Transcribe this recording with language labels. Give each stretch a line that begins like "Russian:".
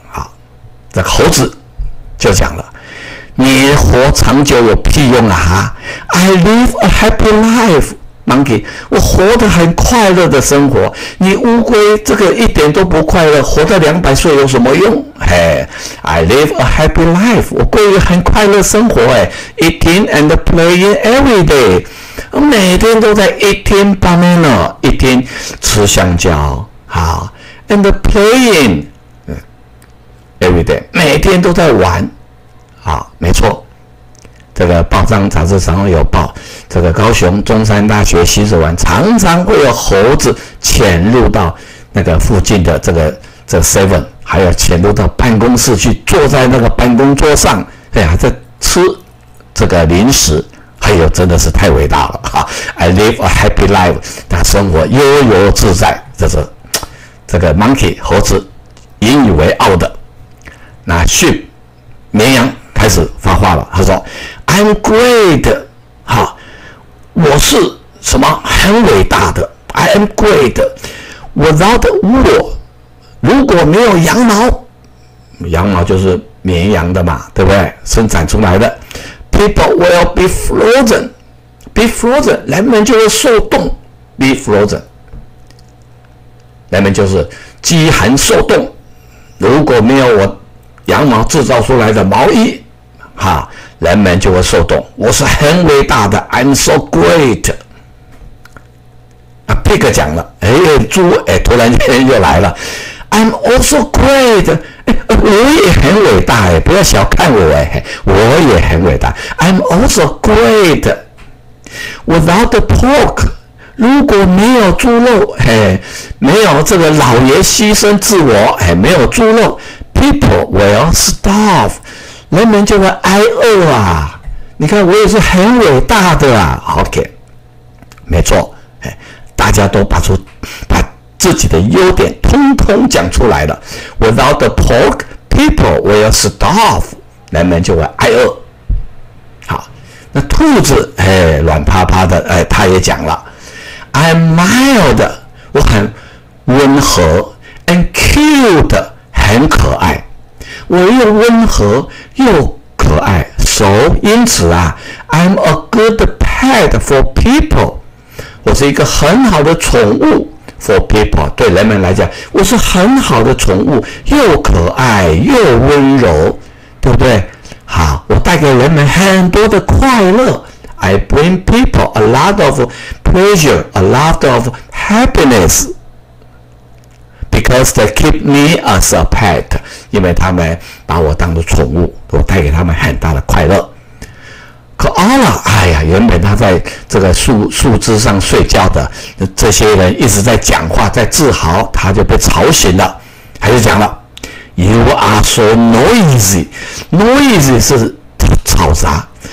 Chinese: 好，这个猴子就讲了，你活长久有屁用啊 ？
English: I live a happy life, monkey.
Chinese: 我活得很快乐的生活。你乌龟这个一点都不快乐，活到200岁有什么用？
English: 哎 ，I live a happy life.
Chinese: 我过于很快乐生活，哎 ，
English: eating and playing every day.
Chinese: 我每天都在
English: eating banana,
Chinese: 一天吃香蕉。好 ，
English: and playing every day，
Chinese: 每天都在玩。好，没错。这个报章杂志常有报，这个高雄中山大学洗手湾常常会有猴子潜入到那个附近的这个 seven， 还有潜入到办公室去，坐在那个办公桌上，哎呀，在吃这个零食。哎呦，真的是太伟大了哈 ！
English: I live a happy life，
Chinese: 那生活悠游自在，这是。这个 monkey 猴子引以为傲的，那 sheep 绵羊开始发话了，他说
English: I'm great，
Chinese: 哈，我是什么很伟大的 ，
English: I am great， without wool，
Chinese: 如果没有羊毛，羊毛就是绵羊的嘛，对不对？生产出来的 ，
English: people will be frozen，
Chinese: 人们就会受冻 ，
English: be frozen。
Chinese: 那么就是饥寒受冻，如果没有我羊毛制造出来的毛衣，哈，人们就会受冻。我是很伟大的 ，
English: I'm so great。
Chinese: 啊 ，Pig 讲了，哎，猪，哎，突然间又来了 ，
English: I'm also great，
Chinese: 我也很伟大，哎，不要小看我，哎，我也很伟大 ，
English: I'm also great。 Without the pork。
Chinese: 如果没有猪肉，嘿，没有这个老爷牺牲自我，嘿，没有猪肉 ，
English: people will starve，
Chinese: 人们就会挨饿啊！你看，我也是很伟大的啊 ，OK， 没错，嘿，大家都把自己的优点通通讲出来了。
English: Without the pork, people will starve，
Chinese: 人们就会挨饿。好，那兔子，嘿，软趴趴的，哎，他也讲了。
English: I'm mild，
Chinese: 我很温和 ，
English: and cute，
Chinese: 很可爱。我又温和又可爱 ，so 因此啊 ，
English: I'm a good pet for people。
Chinese: 我是一个很好的宠物
English: for people，
Chinese: 对人们来讲，我是很好的宠物，又可爱又温柔，对不对？好，我带给人们很多的快乐。
English: I bring people a lot of pleasure, a lot of happiness.
Chinese: Because they keep me as a pet， 因为他们把我当作宠物，我带给他们很大的快乐。 Koala， 哎呀，原本他在这个树枝上睡觉的，这些人一直在讲话，在自豪，他就被吵醒了，他就讲了 ，
English: You are so noisy
Chinese: 是吵杂。